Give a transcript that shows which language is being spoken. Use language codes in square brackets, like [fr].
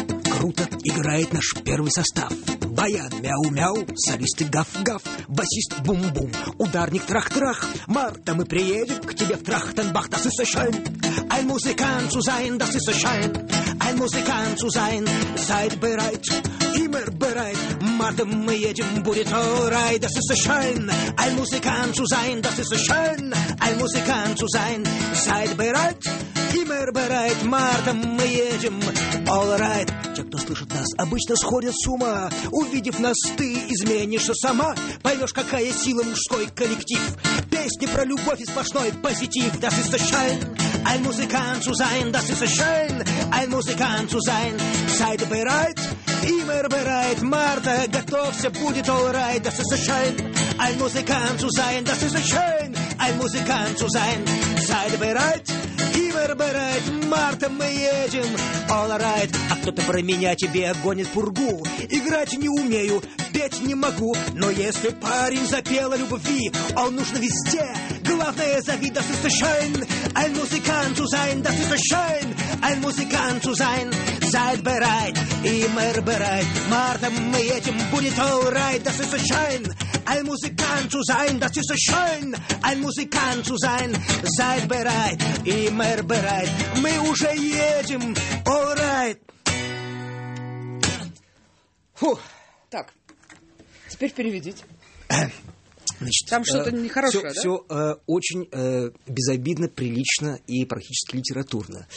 [ru] Круто играет наш первый состав. Баян мяу-мяу, солисты гав-гав, басист бум-бум, ударник трах-трах. Марта, мы приедем к тебе в Трахтенбах, [de] das ist schön. Ein Musikant zu sein, das ist schön. Ein Musikant zu sein, seid bereit. Immer bereit, Madam, [ru] мы едем, будет [de] alright, das ist schön. Ein Musikant zu sein, das ist schön. Ein Musikant zu sein, seid bereit. Immer bereit, Madam, [ru] мы едем, [de] alright. [ru] Те, кто слышит нас, обычно сходят с ума. Увидев нас, ты изменишься сама. Поймешь, какая сила мужской коллектив. Песни про любовь и сплошной позитив. [de] Das ist schön. Ein Musikant zu sein, das ist schön. Ein Musikant zu sein, seid bereit. Immer bereit, Marta, [ru] готовься, будет [de] alright, das ist schön. Ein Musikant zu sein, das ist schön. Ein Musikant zu sein, seid bereit. Immer bereit, Marta, [ru] мы едем, [de] alright. [ru] А кто-то про меня тебе гонит пургу. Играть не умею, петь не могу. Но если парень запел о любви, он нужен везде. Главное, зови, [de] das ist schön. Ein Musikant zu sein, das ist schön. Ein Musikant zu sein, seid bereit. Immer bereit, Marta, [ru] мы едем, будет [de] alright, das ist schön. Ein Musikant zu sein, das ist schön. Ein Musikant zu sein, seid bereit. Immer bereit, [ru] мы уже едем, alright. Фух. Так, теперь переведите. Значит, там что-то нехорошее, всё, да? Все очень безобидно, прилично и практически литературно.